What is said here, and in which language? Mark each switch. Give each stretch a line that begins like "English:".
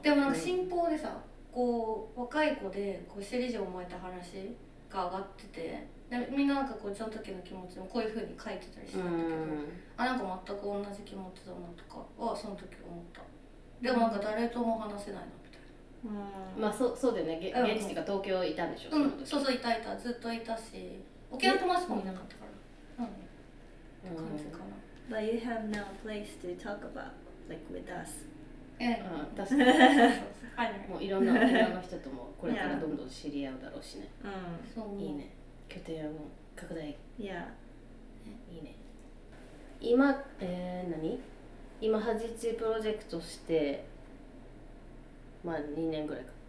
Japanese: でもなんか新報でさ、うん、こう若い子でこう首里城燃えた話が上がってて、でみんななんかこうその時の気持ちもこういう風に書いてたりしたんだけど、あなんか全く同じ気持ちだなとかはその時思った。でもなんか誰とも話せないなみたいな、うん、まあそうだよね、現地っていうか東京いたんでしょ、うん、そうそう、いたいた、ずっといたし、沖縄友達もいなかったから、うんって感じかな。
English: But you have no place to talk about like with us。
Japanese: うん、確かに。もういろんな沖縄の人ともこれからどんどん知り合うだろうしね。うん、いいね。拠点を拡大。いや。いいね。今、何？今ハジチープロジェクトして、まあ2年ぐらいか。